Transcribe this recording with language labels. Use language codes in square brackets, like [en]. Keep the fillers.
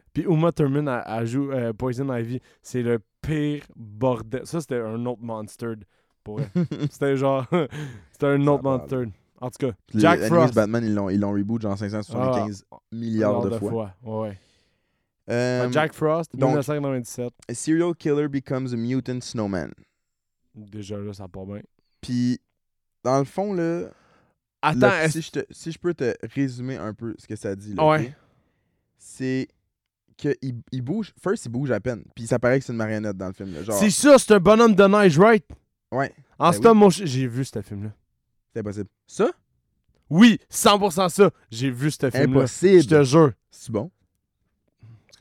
[fr] Puis Uma Thurman, a joué euh, Poison Ivy. C'est le pire bordel. Ça, c'était un autre monster. c'était genre. c'était un autre monster. En tout cas, les Jack les, Frost. De Batman, ils l'ont, reboot genre 575 ah, milliards, milliards de, fois. fois. Ouais, Jack Frost, Donc, 1997. [en] A serial killer becomes a mutant snowman. [fr] Déjà là, ça part bien. Puis, dans le fond, là. Attends, là, si, je te, si, je peux te résumer un peu ce que ça dit, là. Ouais. Okay? C'est qu'il il bouge. First, il bouge à peine. Puis ça paraît que c'est une marionnette dans le film. Genre... C'est sûr, c'est un bonhomme de neige, right? Ouais. En ce temps, j'ai vu ce film-là. C'est impossible. Ça? Oui, 100% ça. J'ai vu ce film-là. Impossible. Je te jure. C'est bon? C'est